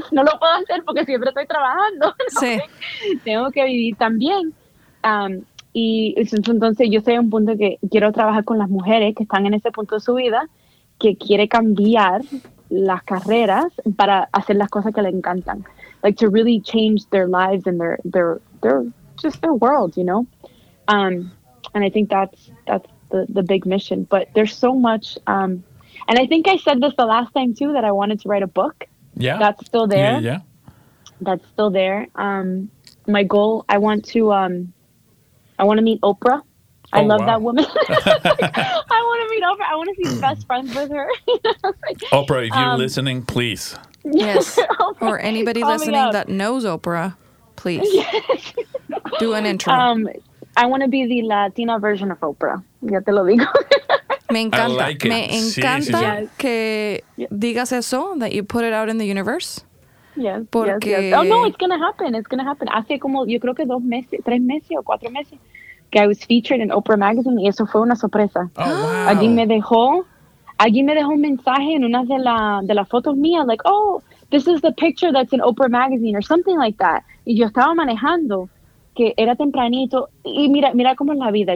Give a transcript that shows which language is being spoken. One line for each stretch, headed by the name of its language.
Spanish: No lo puedo hacer porque siempre estoy trabajando, ¿no? Sí. Tengo que vivir también. Y entonces yo estoy en un punto que quiero trabajar con las mujeres que están en ese punto de su vida, que quiere cambiar las carreras para hacer las cosas que le encantan.
English: Like, to really change their lives and their just their world, you know? And I think that's the big mission. But there's so much. And I think I said this the last time, too, that I wanted to write a book. Yeah. That's still there. Yeah. That's still there. My goal, I want to... I want to meet Oprah. I love that woman. I want to meet Oprah. I want to be best friends with her. Like, Oprah, if you're listening, please. Yes. Oprah, or anybody listening that knows Oprah, please. Yes. Do an intro. I want to be the Latina version of Oprah.
Spanish: Ya te lo digo. Me encanta.
English: I like it.
Spanish: Me encanta que digas eso,
English: that you put it out in the universe. Yes,
Spanish: porque...
English: yes, yes. Oh, no, it's going to happen. It's going to happen.
Spanish: Hace como, yo creo que dos meses, tres meses o cuatro meses, que
English: I was featured in Oprah Magazine,
Spanish: y eso fue una sorpresa.
English: Oh, wow.
Spanish: Alguien me dejó un mensaje en una de la fotos mías,
English: like, oh, this is the picture that's in Oprah Magazine, or something like that.
Spanish: Y yo estaba manejando, que era tempranito, y mira cómo es la vida.